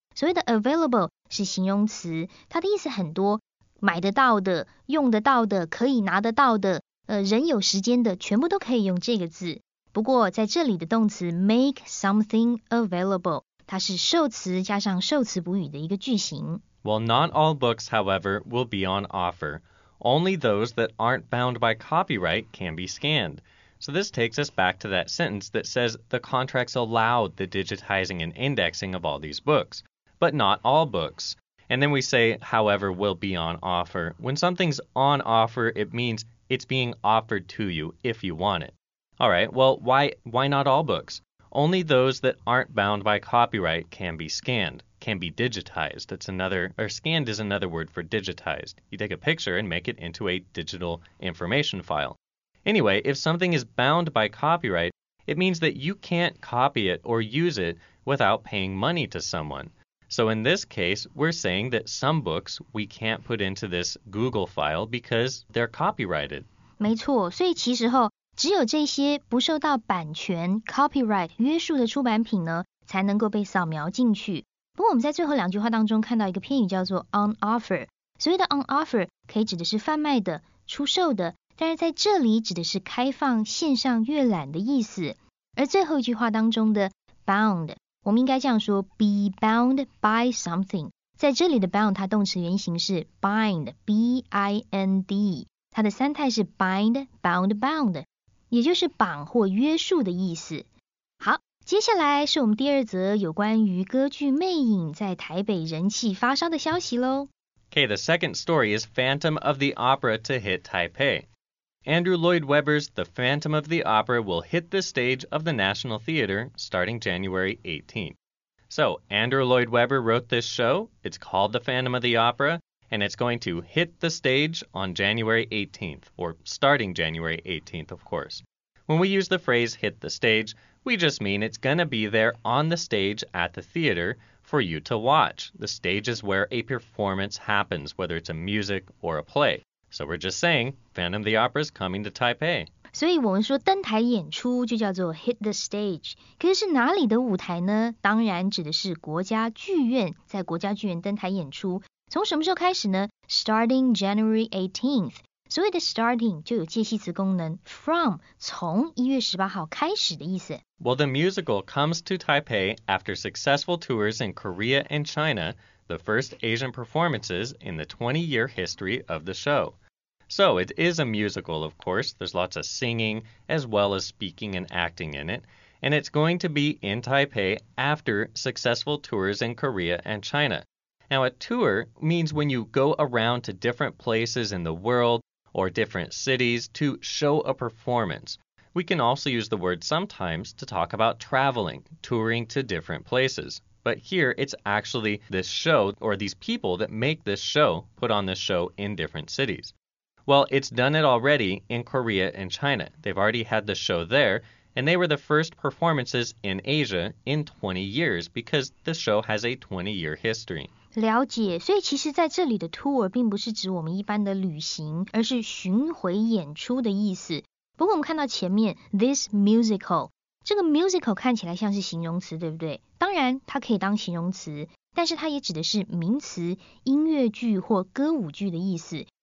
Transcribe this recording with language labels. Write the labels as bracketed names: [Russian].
[Chinese] 所谓的 available 是形容词，它的意思很多，买得到的、用得到的、可以拿得到的、人有时间的，全部都可以用这个字。不过在这里的动词 [English] make something available， [Chinese] 它是受词加上受词补语的一个句型。 [English] Well, not all books, however, will be on offer. Only those that aren't bound by copyright can be scanned. So this takes us back to that sentence that says the contracts allowed the digitizing and indexing of all these books. But not all books. And then we say, however, will be on offer. When something's on offer, it means it's being offered to you if you want it. All right, well, why not all books? Only those that aren't bound by copyright can be scanned, can be digitized. Scanned is another word for digitized. You take a picture and make it into a digital information file. Anyway, if something is bound by copyright, it means that you can't copy it or use it without paying money to someone. So in this case, we're saying that some books we can't put into this Google file because they're copyrighted. [Chinese] 没错，所以其实后只有这些不受到版权 copyright 约束的出版品呢，才能够被扫描进去。不过我们在最后两句话当中看到一个片语叫做 on offer， 所谓的 on offer 可以指的是贩卖的、出售的，但是在这里指的是开放线上阅览的意思。而最后一句话当中的 bound。我们应该这样说 [English] be bound by something， [Chinese] 在这里的 bound 它动词原形是 bind， B-I-N-D， 它的三态是 bind， bound， bound， 也就是绑或约束的意思。好，接下来是我们第二则有关于歌剧魅影在台北人气发烧的消息咯。 [English] Okay, the second story is Phantom of the Opera to hit Taipei. Andrew Lloyd Webber's The Phantom of the Opera will hit the stage of the National Theater starting January 18th. So, Andrew Lloyd Webber wrote this show. It's called The Phantom of the Opera, and it's going to hit the stage on January 18th, or starting January 18th, of course. When we use the phrase hit the stage, we just mean it's going to be there on the stage at the theater for you to watch. The stage is where a performance happens, whether it's a music or a play. So we're just saying, Phantom of the Opera is coming to Taipei. [Chinese] 所以我们说登台演出就叫做 [English] hit the stage. [Chinese] 可是是哪里的舞台呢？当然指的是国家剧院，在国家剧院登台演出。从什么时候开始呢 ？ [English] Starting January 18th。 [Chinese] 所谓的 starting 就有介系词功能 ，from 从1月18号开始的意思。 [English] Well, the musical comes to Taipei after successful tours in Korea and China, the first Asian performances in the 20-year history of the show. So it is a musical, of course. There's lots of singing as well as speaking and acting in it. And it's going to be in Taipei after successful tours in Korea and China. Now, a tour means when you go around to different places in the world or different cities to show a performance. We can also use the word sometimes to talk about traveling, touring to different places. But here, it's actually this show or these people that make this show put on this show in different cities. Well, it's done it already in Korea and China. They've already had the show there, and they were the first performances in Asia in 20 years because the show has a 20-year history. [Chinese] 了解，所以其实在这里的 tour 并不是指我们一般的旅行，而是巡回演出的意思。不过我们看到前面 [English] this musical， [Chinese] 这个 musical 看起来像是形容词，对不对？当然，它可以当形容词，但是它也指的是名词，音乐剧或歌舞剧的意思。